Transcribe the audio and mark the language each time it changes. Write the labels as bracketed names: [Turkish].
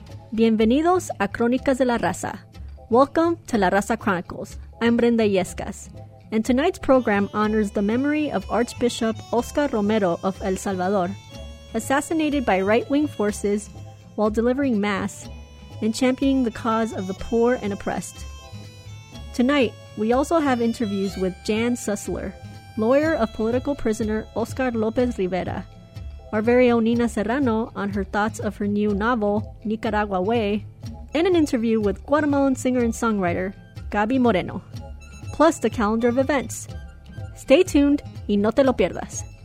[Spanish] Bienvenidos a Cronicas de la Raza. [English] Welcome to La Raza Chronicles. I'm Brenda Yescas. And tonight's program honors the memory of Archbishop Oscar Romero of El Salvador, assassinated by right-wing forces while delivering Mass and championing the cause of the poor and oppressed. Tonight, we also have interviews with Jan Sussler, lawyer of political prisoner Oscar López Rivera, our very own Nina Serrano on her thoughts of her new novel, Nicaragua Way, and an interview with Guatemalan singer and songwriter, Gaby Moreno, plus the calendar of events. Stay tuned [Spanish] y no te lo pierdas.